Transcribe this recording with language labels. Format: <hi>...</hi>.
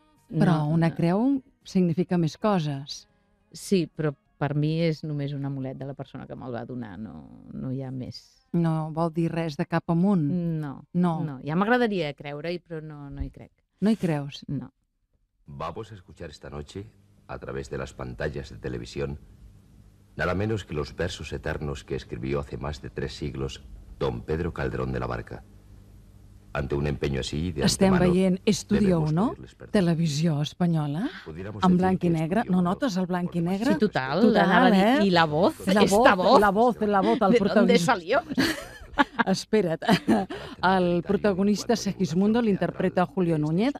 <ca>Però una creu significa més coses. Sí, però per mi és només un amulet de la persona que me'l va donar. No, no hi ha més. No vol dir res de cap amunt? No. No. No. Ja m'agradaria creure-hi, però no, no hi crec. No hi creus? No.</ca> <es>Vamos a escuchar esta noche, a través de las pantallas de televisión, nada menos que los versos eternos que escribió hace más de 3 siglos don Pedro Calderón de la Barca. Ante un empeño así, de</es> <ca>estem veient Estudio 1, no? Televisió espanyola, en blanc i negre. No notes el blanc i negre? Sí, total. Total,</ca> <es>I la voz? La voz, esta voz. La voz, el protagonista. ¿De dónde salió?</es> <ca>Espera't. El protagonista Segismundo l'interpreta Julio Núñez.</ca>